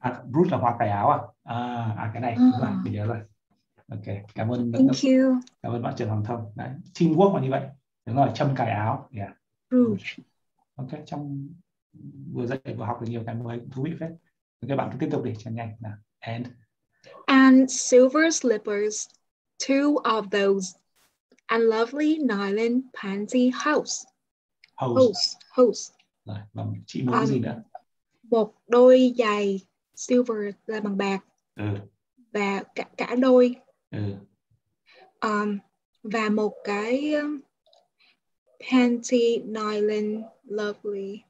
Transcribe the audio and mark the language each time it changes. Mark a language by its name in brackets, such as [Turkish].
[Vietnamese] Brooch là hoa cài áo à? À cái này, đúng rồi, mình nhớ rồi. Ok, cảm ơn. [English] Thank [Vietnamese] cảm [English] you. [Vietnamese] Cảm ơn bạn Trần Hoàng Thông. Đấy, teamwork là như vậy. Đúng rồi, châm cài áo. Yeah. [English] Rouge. [Vietnamese] Ok, trong vừa dạy vừa học được nhiều cái mới thú vị phết. Ok, bạn cứ tiếp tục đi, chẳng nhanh. Nào. [English] And. And silver slippers, two of those, a lovely nylon pansy house. Hose. [Vietnamese] Rồi, và chị muốn cái gì nữa? Một đôi giày silver là bằng bạc. Ừ. Và cả đôi. Ừ. Và một cái panty nylon lovely.